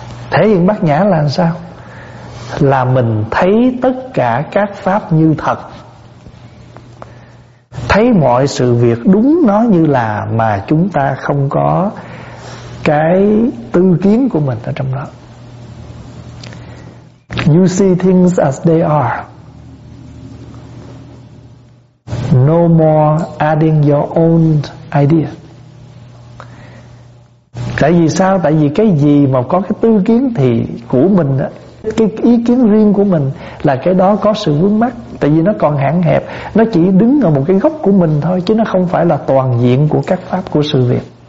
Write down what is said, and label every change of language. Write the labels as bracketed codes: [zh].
[vi] Thể hiện bát nhã là sao? Là mình thấy tất cả các pháp như thật, thấy mọi sự việc đúng nó như là, mà chúng ta không có cái tư kiến của mình ở trong đó. [en] You see things as they are, no more adding your own idea. [vi] Tại vì sao? Tại vì cái gì mà có cái tư kiến thì của mình đó, cái ý kiến riêng của mình là cái đó có sự vướng mắc, tại vì nó còn hạn hẹp, nó chỉ đứng ở một cái góc của mình thôi, chứ nó không phải là toàn diện của các pháp, của sự việc.